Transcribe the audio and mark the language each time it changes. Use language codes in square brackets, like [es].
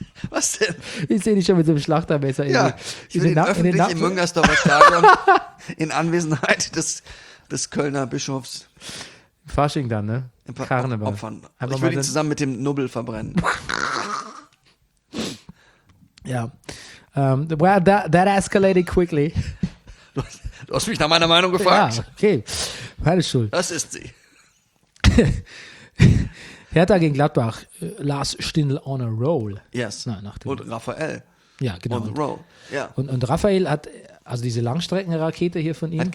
[de] Was denn? Ich sehe dich schon mit so einem Schlachtermesser. Ja, ich will ihn öffentlich im Müngersdorfer Stadion in Anwesenheit des Kölner Bischofs. Fasching dann, ne? Karneval. Opfern. Aber ich würde ihn zusammen mit dem Nubbel verbrennen. Ja. [en] Well, that escalated quickly. [de] Du hast mich nach meiner Meinung gefragt. Ja, okay. Meine Schuld. Das ist sie. Hertha gegen Gladbach. Lars Stindl [en] on a roll. Yes. [de] Und Raphael. Ja, genau. [en] On a roll. Ja. [de] Und Raphael hat, also diese Langstreckenrakete hier von ihm.